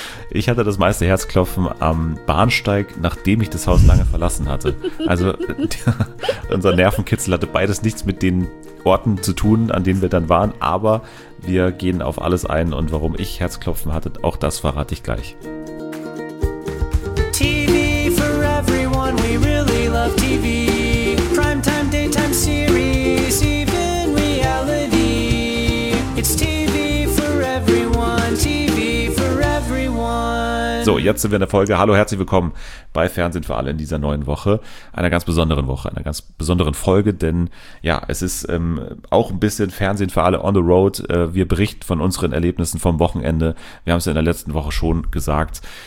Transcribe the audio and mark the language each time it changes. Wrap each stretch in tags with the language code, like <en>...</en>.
<de>Ich hatte das meiste Herzklopfen am Bahnsteig, nachdem ich das Haus lange verlassen hatte. Also unser Nervenkitzel hatte beides nichts mit den Orten zu tun, an denen wir dann waren, aber wir gehen auf alles ein und warum ich Herzklopfen hatte, auch das verrate ich gleich.</de> <en>TV for everyone, we really love TV. Primetime, daytime series, even reality. It's TV for everyone, TV for everyone.</en> <de>So, jetzt sind wir in der Folge. Hallo, herzlich willkommen bei Fernsehen für alle in dieser neuen Woche. Einer ganz besonderen Woche, einer ganz besonderen Folge, denn ja, es ist auch ein bisschen Fernsehen für alle</de> <en>on the road.</en> <de>Wir berichten von unseren Erlebnissen vom Wochenende. Wir haben es in der letzten Woche schon gesagt.</de>